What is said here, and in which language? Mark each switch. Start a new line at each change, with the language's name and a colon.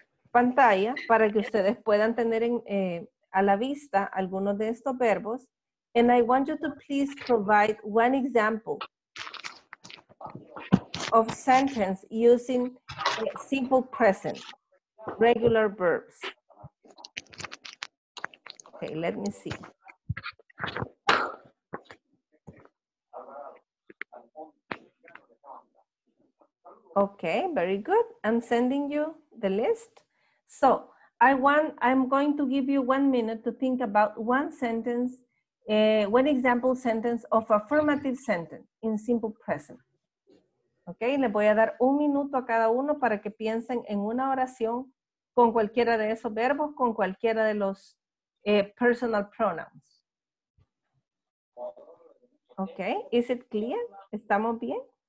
Spanish: pantalla para que ustedes puedan tener a la vista algunos de estos verbos.
English: And I want you to please provide one example of sentence using simple present, regular verbs. Okay, let me see. Okay, very good. I'm sending you the list. So, I'm going to give you 1 minute to think about one sentence, one example sentence of affirmative sentence in simple present.
Spanish: Okay, le voy a dar un minuto a cada uno para que piensen en una oración con cualquiera de esos verbos, con cualquiera de los personal pronouns.
English: Okay, is it clear?
Spanish: ¿Estamos bien?